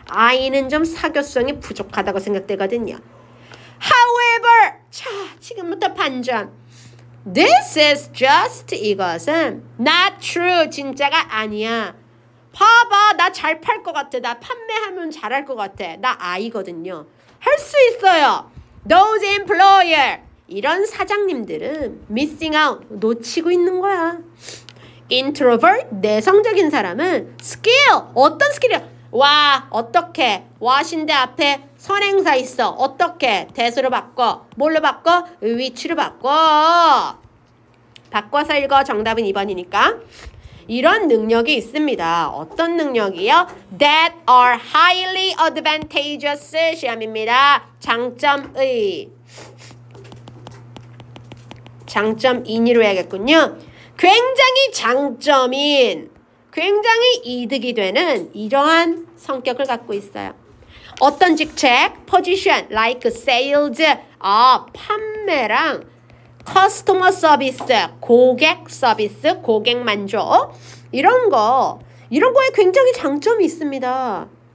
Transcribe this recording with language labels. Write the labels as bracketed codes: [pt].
[ko] I는 좀 사교성이 부족하다고 생각되거든요. [en] However, [ko] 자, 지금부터 반전. [en] This is just [ko] 이것은 [en] not true, [ko] 진짜가 아니야. 봐봐, 나 잘 팔 것 같아. 나 판매하면 잘할 것 같아. 나 아이거든요. 할 수 있어요. [en] Those employer, [ko] 이런 사장님들은 [en] missing out, [ko] 놓치고 있는 거야. [en] Introvert, [ko] 내성적인 사람은 skill, 어떤 skill이야? 와, 어떻게? 와신대 앞에 선행사 있어. 어떻게? 대수로 바꿔. 뭘로 바꿔? 위치로 바꿔. 바꿔서 읽어. 정답은 2번이니까. 이런 능력이 있습니다. 어떤 능력이요? [en] That are highly advantageous [ko] 시험입니다. 장점의. 장점인으로 해야겠군요. 굉장히 장점인. 굉장히 이득이 되는 이러한 성격을 갖고 있어요. 어떤 직책, position, [en] like sales, [ko] 판매랑 [en] customer service, [ko] 고객 서비스, 고객 만족, 이런 거에 굉장히 장점이 있습니다.